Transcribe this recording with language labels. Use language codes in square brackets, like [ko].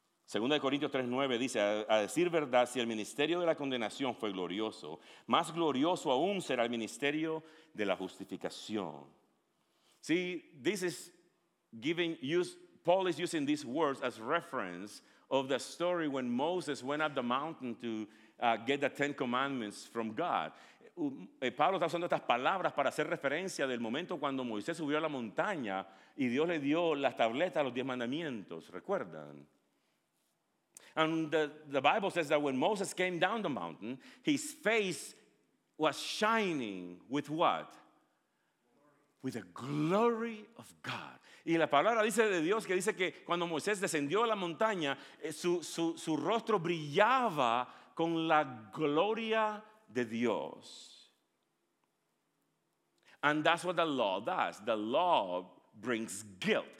[es] 2 Corintios 3:9 dice, a decir verdad, si el ministerio de la condenación fue glorioso, más glorioso aún será el ministerio de la justificación. [en] See, this is giving use, Paul is using these words as reference of the story when Moses went up the mountain to get the Ten Commandments from God. [es] Pablo está usando estas palabras para hacer referencia del momento cuando Moisés subió a la montaña y Dios le dio las tabletas, los 10 mandamientos, ¿recuerdan? [en] And the Bible says that when Moses came down the mountain, his face was shining with what? With the glory of God. [es] Y la palabra dice de Dios que dice que cuando Moisés descendió a la montaña, su rostro brillaba con la gloria de Dios. [en] And that's what the law does. The law brings guilt.